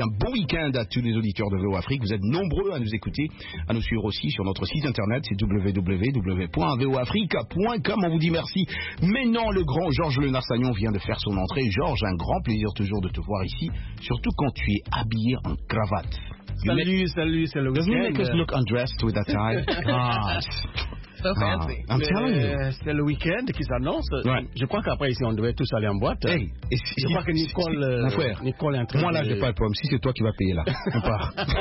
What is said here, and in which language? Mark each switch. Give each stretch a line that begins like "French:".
French: Un bon week-end à tous les auditeurs de VO Afrique. Vous êtes nombreux à nous écouter, à nous suivre aussi sur notre site internet, c'est www.voafrique.com. On vous dit merci. Maintenant, le grand Georges Léonard Sagnon vient de faire son entrée. Georges, un grand plaisir toujours de te voir ici, surtout quand tu es habillé en cravate. Salut, c'est le week-end.
English: Doesn't make us look undressed with that tie? God. So fancy. I'm telling you.
French: C'est le week-end qui s'annonce.
English: Right.
French: Je crois qu'après ici, on devait tous aller en boîte. Hey, et si, je crois que Nicole, si, frère, Nicole est en train de... Moi, là, j'ai pas le problème. Si c'est toi qui vas payer, là, on part.